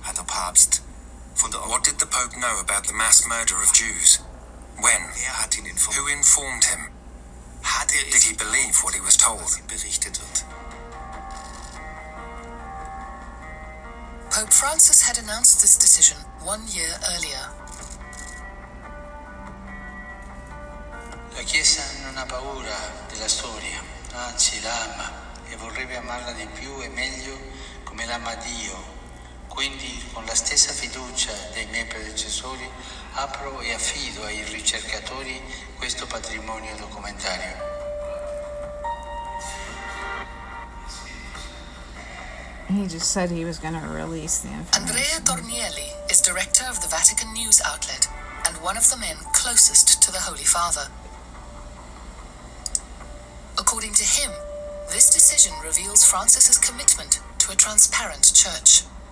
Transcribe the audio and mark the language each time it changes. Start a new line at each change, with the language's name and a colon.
English: What did the Pope know about the mass murder of Jews? When? Who informed him? Did he believe what he was told? Pope Francis had announced this decision in 1 year earlier.
Italian: La Chiesa non ha paura della storia, anzi la ama e vorrebbe amarla di più e meglio come l'ama Dio. Quindi, con la stessa fiducia dei miei predecessori, apro e affido ai ricercatori questo patrimonio documentario.
English: He just said he was going to release the information. Andrea Tornielli is director of the Vatican News outlet and one of the men closest to the Holy Father. According to him, this decision reveals Francis's commitment to a transparent church.